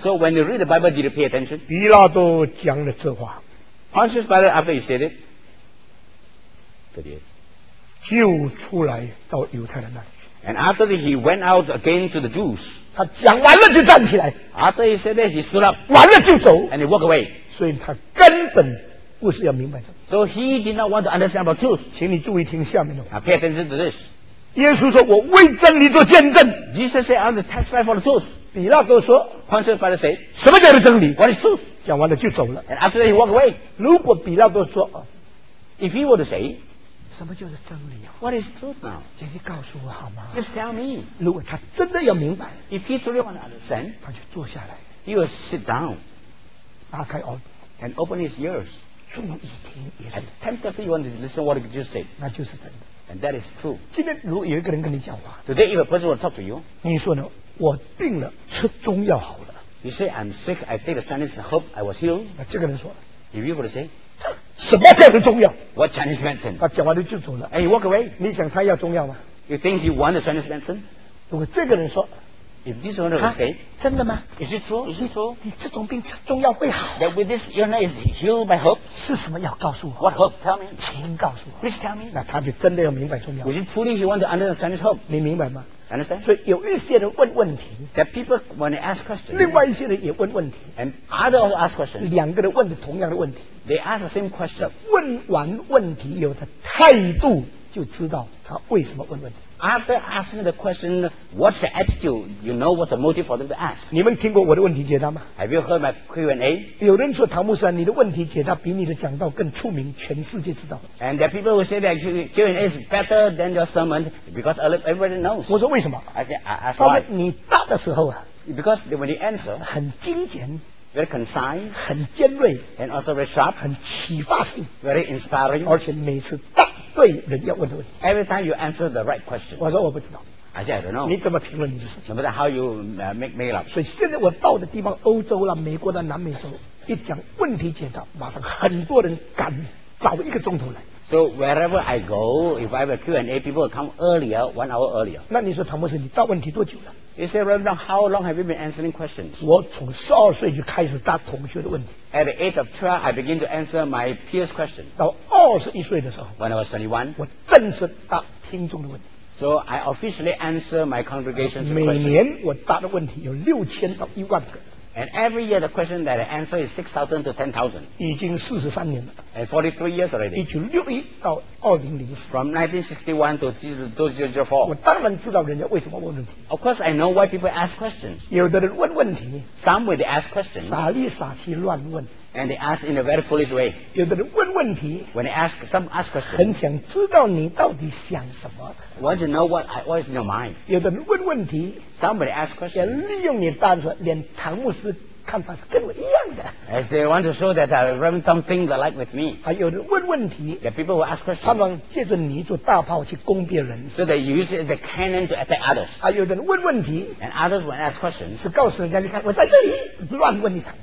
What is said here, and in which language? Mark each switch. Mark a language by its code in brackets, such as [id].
[en] ？So when you read the Bible, did you pay attention? [zh] 比拉多讲了这话 [en] ，Pontius Pilate after he said it, 这里 [zh] 就出来到犹太人那里。 [en] And after that, he went out again to the Jews. [zh] 他讲完了就站起来。 [en] After he said that, he stood up. [zh] 完了就走。 [en] And he walked away. [zh] 所以他根本不是要明白什么。 [en] So he did not want to understand about truth. [zh] 请你注意听下面的话。 [en] Pay attention to this. [zh] 耶稣说：“我为真理做见证。” [en] Jesus said, "I'm the testifier for the truth." [zh] 比拉多说 [en] ：“Pontius Pilate said, [zh] 什么叫做真理 [en] ？What is truth?" [zh] 讲完了就走了。 [en] And after that, he walked away. [zh] 如果比拉多说 [en] ，If he were to say, [zh] 什么叫做真理？ [en] What is truth now? [zh] 请你告诉我好吗 [en] ？Just tell me. [zh] 如果他真的要明白 [en] ，If he truly want to understand, [zh] 他就坐下来 [en] ，He will sit down, [zh] 打开耳 [en] ，and open his ears. [zh] 注意听 [en] ，Attentively want to listen what you just say. [zh] 那就是真的 [en] ，and that is true. [zh] 今天如果有一个人跟你讲话 [en] ，Today if a person will talk to you, [zh] 你说呢？我病了，吃中药好了。 [en] You say I'm sick, I take the Chinese herb, I was healed. [zh] 那这个人说 [en] ，If you were to say. [zh] 什么叫做中药 [en] ？What Chinese medicine？ [zh] 他讲完了就走了。 [en] And he walk away。 [zh] 你想他要中药吗 [en] ？You think he want the Chinese medicine？ [zh] 如果这个人说 [en] ，If this one is sick， [zh] 真的吗 [en] ？Is it true？ Is it true？ [zh] 你这种病吃中药会好 [en] ？That with this illness is healed by hope？ [zh] 是什么药？告诉我。 [en] What hope？ Tell me。 [zh] 请告诉我。 [en] Please tell me。 [zh] 那他就真的要明白中药。 [en] Is it truly he want to understand Chinese hope？ [zh] 你明白吗 [en] ？Understand？ [zh] 所以有一些人问问题 [en] ，That people when they ask questions， [zh] 另外一些人也问问题 [en] ，And others also ask questions。 [zh] 两个人问的同样的问题。 [en] They ask the same question. [zh] 问完问题，有的态度就知道他为什么问问题。 [en] After asking the question, what's the attitude? You know what's the motive for them to ask. [zh] 你们听过我的问题解答吗 [en] ？Have you heard my Q&A? [zh] 有人说唐牧师啊，你的问题解答比你的讲道更出名，全世界知道。 [en] And there people who say that Q&A is better than your sermon because everybody knows. [zh] 我说为什么 [en] ？I said, I ask why. [zh] 他们你答的时候啊 [en] Because when he answered, [zh] 很精简。 [en] Very concise. [zh] 很尖锐。 [en] And also very sharp. [zh] 很启发性。 [en] Very inspiring. [zh] 而且每次答对人家问的问题。 [en] Every time you answer the right question. [zh] 我说我不知道。 [en] I said I don't know. [zh] 你怎么评论你的事情？ [en] 那么 how you make it up? [zh] 所以现在我到的地方，欧洲了、美国的、南美洲，一讲问题解答，马上很多人赶早一个钟头来。 [en] So wherever I go, if I have a Q&A, people will come earlier, 1 hour earlier. [zh] 那你说唐博士，你答问题多久了？ [en] He said, Reverend, how long have you been answering questions? [zh] 我从12岁就开始答同学的问题。 [en] At the age of 12, I begin to answer my peers' question. [zh] 到21岁的时候。 [en] When I was 21. [zh] 我正式答听众的问题。 [en] So I officially answer my congregation's [zh] question. 每年我答的问题有6000到10000个。 [en] And every year the question that I answer is 6,000 to 10,000. [zh] 已经43年了。 [en] And 43 years already. [zh] 1961到2004. [en] From 1961 to 2004. [zh] 我当然知道人家为什么问问题。 [en] Of course I know why people ask questions. [zh] 有的人问问题。 [en] Some way they ask questions. [zh] 傻里傻气乱问。 [en] And they ask in a very foolish way. [zh] 有的人问问题。 [en] When they ask, some ask questions. [zh] 很想知道你到底想什么。 [en] Want to know what is in your mind? [zh] 有的人问问题。 [en] Somebody ask questions. [zh] 想利用你单纯，连唐牧师看法是跟我一样的。 [en] As they want to show that Reverend Tom thinks alike with me. [zh] 还有的问问题。 [en] The people will ask questions. [zh] 他们借着你做大炮去攻别人。 [en] So they use it as a cannon to attack others. [zh] 还有的人问问题。 [en] And others will ask questions. [zh] 是告诉人家你看我在这里，乱问一场。